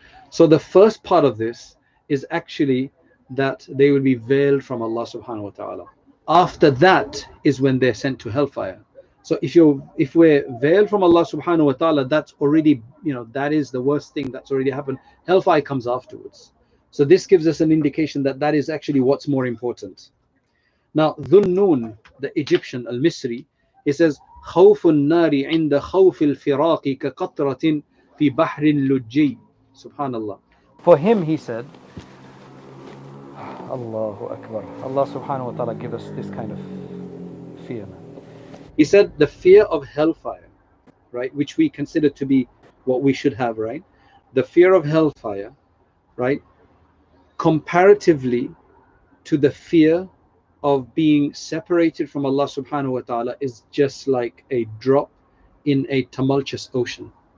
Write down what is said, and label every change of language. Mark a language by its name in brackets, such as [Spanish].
[English] So the first part of this is actually that they will be veiled from Allah subhanahu wa ta'ala. After that is when they're sent to hellfire. So if we're veiled from Allah subhanahu wa ta'ala, that's already, you know, that is the worst thing that's already happened. Hellfire comes afterwards. So this gives us an indication that that is actually what's more important. Now, Dhunnun, the Egyptian, Al-Misri, he says, [Arabic] خَوْفٌ النَّارِ عِنْدَ خَوْفِ الْفِرَاقِ كَقَطْرَةٍ فِي بَحْرٍ لُجِّي. Subhanallah. [English] For him, he said, Allahu Akbar. Allah subhanahu wa ta'ala give us this kind of fear. He said, the fear of hellfire, right, which we consider to be what we should have, right? The fear of hellfire, right, comparatively to the fear of being separated from Allah subhanahu wa ta'ala is just like a drop in a tumultuous ocean.